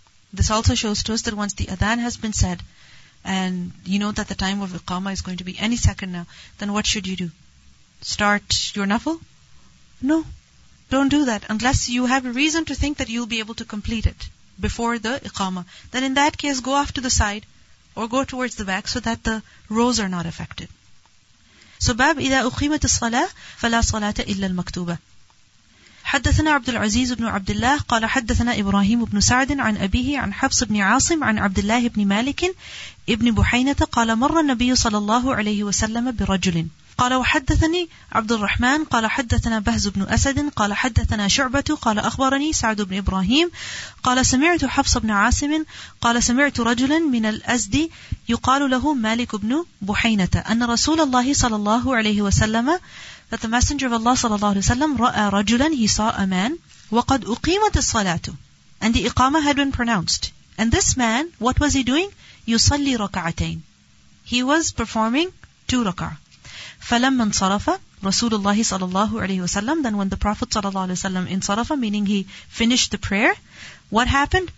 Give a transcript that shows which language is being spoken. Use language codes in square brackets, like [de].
[en] This also shows to us that once the adhan has been said, and you know that the time of iqama is going to be any second now, then what should you do? Start your nafl? No. Don't do that. Unless you have a reason to think that you'll be able to complete it before the iqama. Then in that case, go off to the side, or go towards the back, so that the rows are not affected. [ar] So باب إذا أقيمت الصلاة فلا صلاة إلا المكتوبة. حدثنا عبد العزيز بن عبد الله قال حدثنا إبراهيم بن سعد عن أبيه عن حفص بن عاصم عن عبد الله بن مالك ابن بحينة قال مر النبي صلى الله عليه وسلم برجل قال وحدثني عبد الرحمن قال حدثنا بهز بن أسد قال حدثنا شعبة قال أخبرني سعد بن إبراهيم قال سمعت حفص بن عاصم قال سمعت رجلا من الأزد يقال له مالك بن بحينة أن رسول الله صلى الله عليه وسلم [en] that the Messenger of Allah sallallahu alaihi wasallam [ar] ra'a rajulan, [en] he saw a man, [ar] waqad uqimat as-salatu, [en] and the iqamah had been pronounced. And this man, what was he doing? [ar] Yusalli raka'atayn. [en] He was performing two raka'ah. [ar] فَلَمَّا انصَرَفَ رَسُولُ اللَّهِ صَلَى اللَّهُ عَلَيْهِ وَسَلَّمْ, [en] then when the Prophet صلى الله عليه وسلم انصَرَفَ, meaning he finished the prayer, what happened?